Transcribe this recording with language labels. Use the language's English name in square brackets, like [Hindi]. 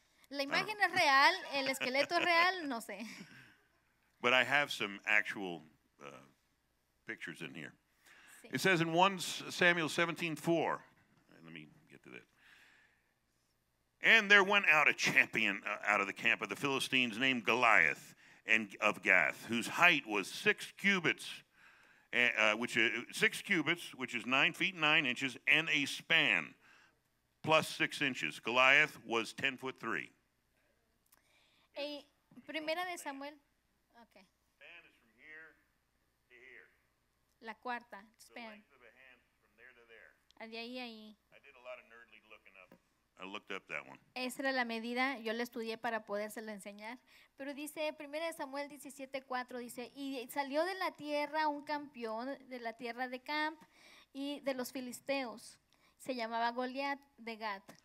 [Spanish] La imagen es real, el esqueleto es real, no sé. [English] But I have some actual pictures in here. Sí. It says in 1 Samuel 17:4. Let me get to that. And there went out a champion out of the camp of the Philistines named Goliath and of Gath, whose height was 6 cubits, which is 9 feet 9 inches, and a span plus 6 inches. Goliath was 10 foot 3. [Spanish] Primera de Samuel, okay. [English] Span is from here to here. [Spanish] La cuarta, span. [English] The length of a hand from there to there. [Spanish] De ahí a ahí. [English] I did a lot of nerdly looking up. I looked up that one. [Spanish] Esa era la medida, yo la estudié para podérselo enseñar. Pero dice, Primera de Samuel 17:4, dice, y salió de la tierra un campeón de la tierra de Camp y de los filisteos. Se llamaba Goliath de Gat.